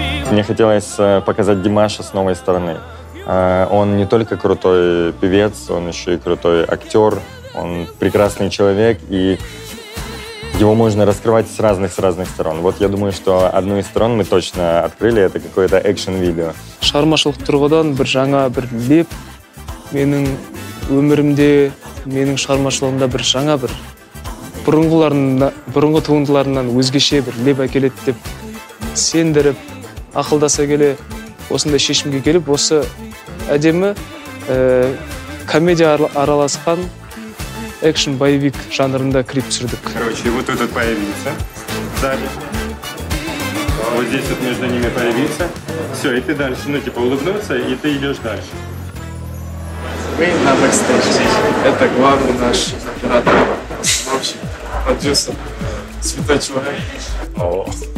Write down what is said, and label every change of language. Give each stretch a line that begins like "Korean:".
Russian: Мне хотелось показать Димаша с новой стороны. Он не только крутой певец, он еще и крутой актер, он прекрасный человек, и его можно раскрывать с разных сторон. Вот я думаю, что одну из сторон мы точно открыли, это какое-то экшен-видео.
Kazakh: Шығармашылық тұрғыдан бір жаңа бір леп, менің өмірімде, менің шығармашылығымда бір жаңа бір, бұрынғы туындыларынан өзгеше бір леп әкеледі деп сендіріп, ақылдаса келе, осында шешімге келіп, осы әдемі комедия араласқан экшн-байвик жанрында клип түсірдік.
Russian: Короче, вот тут появился, сзади. Вот здесь вот между ними появился. Все, и ты дальше, ну типа улыбнулся, и ты идешь дальше. Мы на бэкстейдже. Это главный наш оператор, вообще продюсер, святой человек.